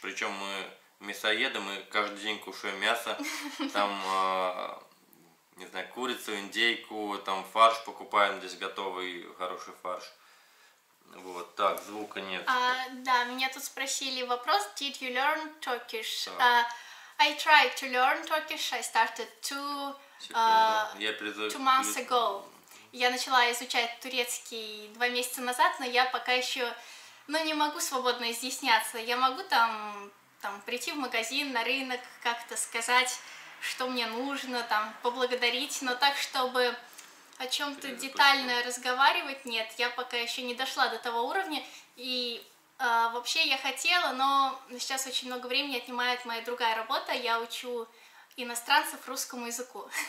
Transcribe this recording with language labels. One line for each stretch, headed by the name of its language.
Russian: Причем мы мясоеды, мы каждый день кушаем мясо, там, не знаю, курицу, индейку, там фарш покупаем, здесь готовый хороший фарш. Вот, так, звука нет. Да, меня тут спросили вопрос,
English: did you learn Turkish? I tried to learn Turkish, I started two months ago.
Russian: Я начала изучать турецкий 2 месяца назад, но я пока еще, ну, не могу свободно изъясняться. Я могу там прийти в магазин, на рынок, как-то сказать, что мне нужно, там, поблагодарить, но так, чтобы о чем-то детально разговаривать, нет, я пока еще не дошла до того уровня, и вообще я хотела, но сейчас очень много времени отнимает моя другая работа, я учу иностранцев русскому языку,